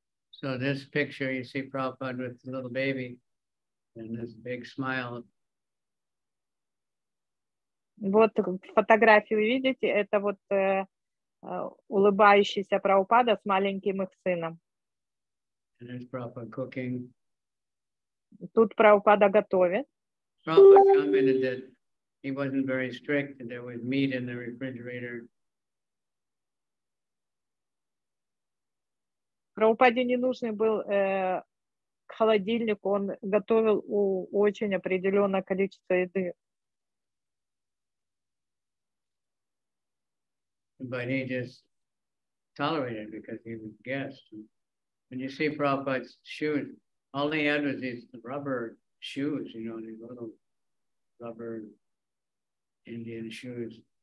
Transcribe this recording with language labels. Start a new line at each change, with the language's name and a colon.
English: So this picture, you see Prabhupada with the little baby and this big smile.
Russian: Вот фотографию видите, это вот улыбающийся Прабхупада с маленьким их сыном.
English: And there's Prabhupada cooking.
Russian: Тут Прабхупада готовит.
English: Prabhupada commented that he wasn't very strict, that there was meat in the refrigerator.
Russian: Прабхупаде не нужный был к холодильнику, он готовил очень определенное количество еды.
English: But he just tolerated because he was a guest. When you see Prabhupada's shoes, all he had was these rubber shoes, you know, these little rubber Indian shoes.